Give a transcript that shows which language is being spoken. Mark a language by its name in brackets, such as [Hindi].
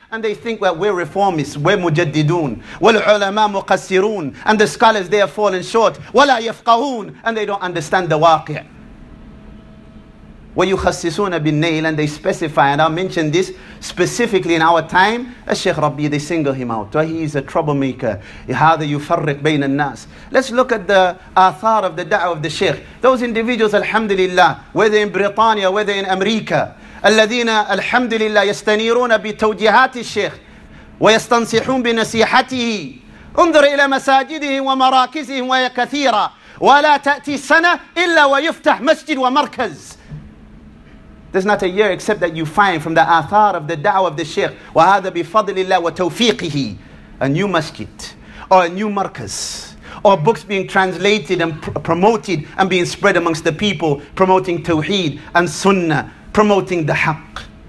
[English] And they think, well, we're reformists, we're mujaddidun, [Arabic] wal ulama muqassirun, [English] and the scholars, they have fallen short, [Arabic] wala yafqahoon, [English] and they don't understand the waqi'. [Arabic] وَيُخَسِّسُونَ بِالنَّيْلِ, [English] and they specify, and I'll mention this specifically in our time, الشيخ Rabbi, they single him out. He is a troublemaker. [Arabic] هَذَا يُفَرِّقْ بَيْنَ النَّاسِ. [English] Let's look at the athar of the da'wah of the Shaykh. Those individuals, alhamdulillah, whether in Britannia, whether in America, [Arabic] الذين الحمد لله يستنيرون بتوجيهات الشيخ ويستنصحون بنصيحته انظر إلى مساجدهم ومراكزهم وهي كثيرة ولا تأتي سنة إلا ويفتح مسجد ومركز. [English] There's not a year except that you find from the athar of the da'wah of the sheikh, [Arabic] وهذا بفضل الله وتوفيقه, [English] a new masjid or a new markaz or books being translated and promoted and being spread amongst the people, promoting tawheed and sunnah, promoting the haqq.